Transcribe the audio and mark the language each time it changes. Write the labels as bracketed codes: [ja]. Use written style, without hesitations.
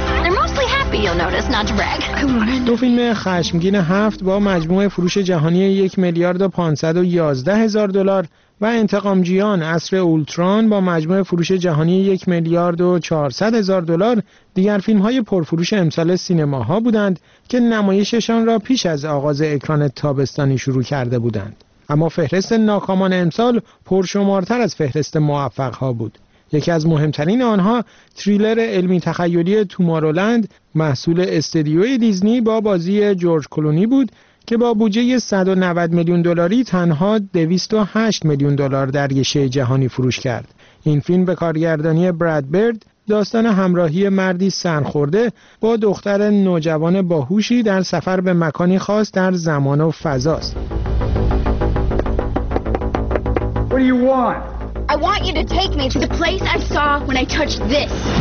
[en] They're mostly happy, you'll notice, not to brag. [fa] دو فیلم خشمگین هفت با مجموع فروش جهانی 1,511,000 دلار و انتقامجویان عصر اولتران با مجموع فروش جهانی 1,400,000 دلار دیگر فیلم‌های پرفروش امسال سینماها بودند که نمایششان را پیش از آغاز اکران تابستانی شروع کرده بودند. اما فهرست ناکامان امسال پرشمارتر از فهرست موفق‌ها بود. یکی از مهمترین آنها تریلر علمی تخیلی تومارولند محصول استودیوی دیزنی با بازی جورج کلونی بود که با بودجه 190,000,000 دلاری تنها 208,000,000 دلار در گشه جهانی فروش کرد. این فیلم به کارگردانی براد برد داستان همراهی مردی سرخورده با دختر نوجوان باهوشی در سفر به مکانی خاص در زمان و فضاست. [en] What do you want? I want you to take me to the place I saw when I touched this.